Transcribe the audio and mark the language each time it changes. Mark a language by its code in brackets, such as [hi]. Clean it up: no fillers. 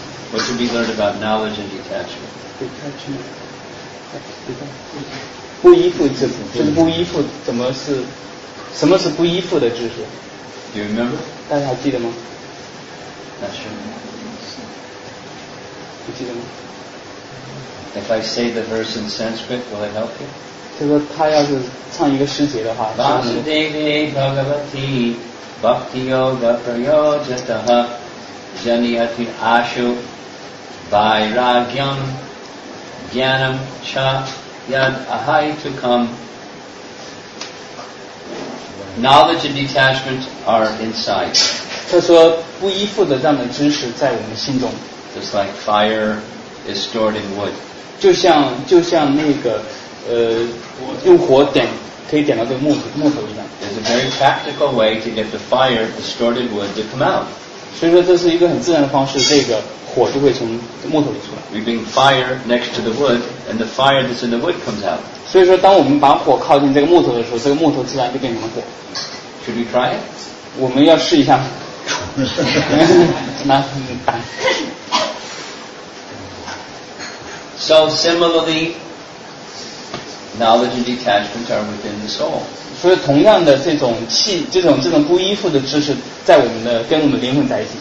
[en] What can we learn about knowledge and detachment? Detachment. [zh] 不依附知识，就是不依附怎么是，什么是不依附的知识？ [en] Do you remember? [zh] 大家还记得吗？ [en] Not sure. [zh] 不记得吗？ [en] If I say the verse in Sanskrit, will it help you? [zh] 就是他要是唱一个诗节的话。 [sa] Vasudevi Bhagavati Bhakti Yoga Prayojataha Janiyati Ashu Vairagyam Jnanam Cha Yad Ahai Tukam. [en] Knowledge and detachment are inside. [zh] 他说不依附的这样的知识在我们心中。 [en] Just like fire is stored in wood. [zh] 就像那个用火点可以点到这个木头一样。 [en] It's a very practical way to get the fire distorted wood to come out. [zh] 所以说这是一个很自然的方式，这个火就会从木头里出来。 [en] We bring fire next to the wood, and the fire that's in the wood comes out. [zh] 所以说当我们把火靠近这个木头的时候，这个木头自然就变成了火。 [en] Should we try it? [zh] 我们要试一下。那打。 [en] So similarly, knowledge and detachment are within the soul. [zh] 所以同样的这种不依附的知识在我们的跟我们灵魂在一起。